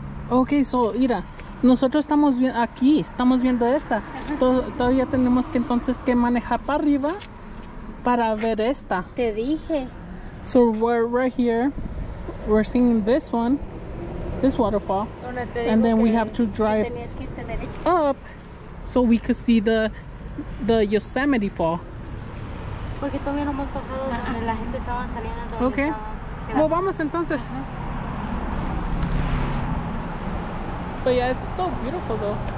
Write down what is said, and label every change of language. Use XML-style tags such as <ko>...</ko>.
<es>Ok, so, mira, nosotros estamos aquí, estamos viendo esta. Todavía tenemos que entonces que manejar para arriba para ver esta. Te dije.</es> <en>So, we're right here. We're seeing this one, this waterfall. And then we have to drive up so we could see the Yosemite Fall.</en> <es>Porque todavía no hemos pasado donde la gente estaba saliendo. Ok. Bueno, well, vamos entonces.</es> <en>Uh-huh. But yeah, it's still beautiful though.</en>